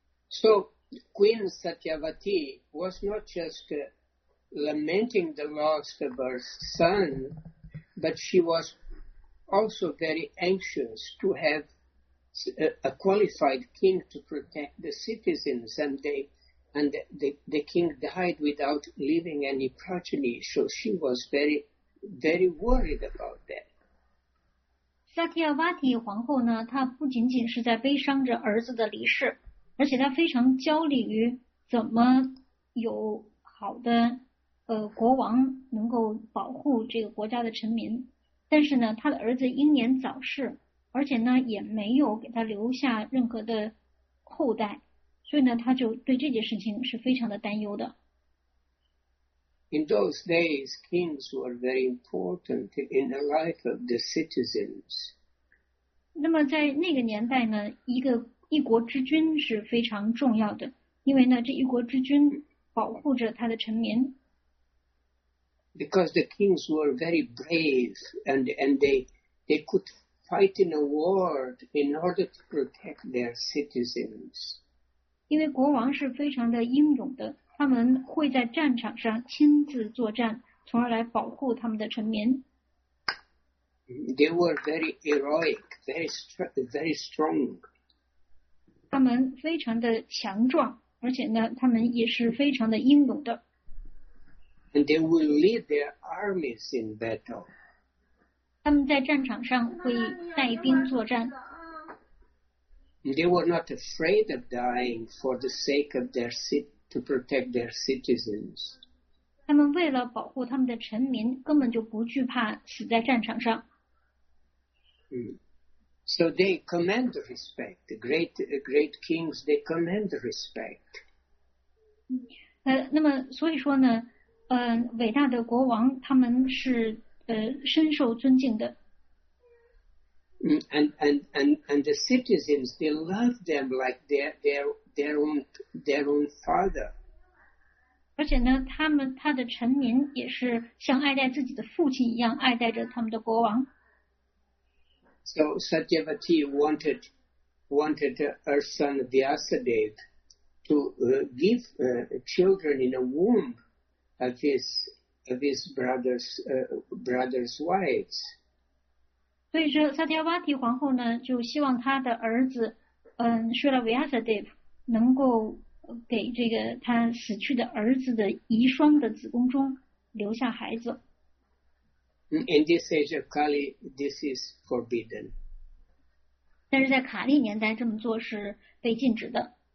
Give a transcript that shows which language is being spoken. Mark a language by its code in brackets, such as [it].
[en] So Queen Satyavati was not just lamenting the loss of her son, but she was also very anxious to have a qualified king to protect the citizens and the king died without leaving any progeny, so she was very, very worried about that. [zh] Satyavati 皇后呢，她不仅仅是在悲伤着儿子的离世，而且她非常焦虑于怎么有好的国王能够保护这个国家的臣民。但是呢，她的儿子英年早逝，而且呢，也没有给她留下任何的后代。所以呢，他就对这件事情是非常的担忧的。 [en] In those days, kings were very important in the life of the citizens. [zh] 那么在那个年代呢，一国之君是非常重要的，因为呢，这一国之君保护着他的臣民。 [en] Because the kings were very brave and they could fight in a war in order to protect their citizens. [zh] 因为国王是非常的英勇的，他们会在战场上亲自作战，从而来保护他们的臣民。 [en] They were very heroic, very strong. [zh] 他们非常的强壮，而且呢，他们也是非常的英勇的。 [en] And they would lead their armies in battle. [zh] 他们在战场上会带兵作战。 [en] They were not afraid of dying for the sake of their to protect their citizens. [zh] 他们为了保护他们的臣民，根本就不惧怕死在战场上。 [en] So they command respect. Great kings, they command respect. [zh] 那么所以说呢，伟大的国王他们是深受尊敬的。 [en] And the citizens, they love them like their own father. [zh] 而且呢，他的臣民也是像爱戴自己的父亲一样爱戴着他们的国王。 [en] So Satyavati wanted her son Vyasadeva to give children in a womb of his brother's wives. [zh] 所以说萨提亚瓦提皇后呢就希望她的儿子舍拉维亚萨德能够给这个他死去的儿子的遗孀的子宫中留下孩子。 [en] In this age of Kali, this is forbidden. [zh] 但是在卡利年代这么做是被禁止的。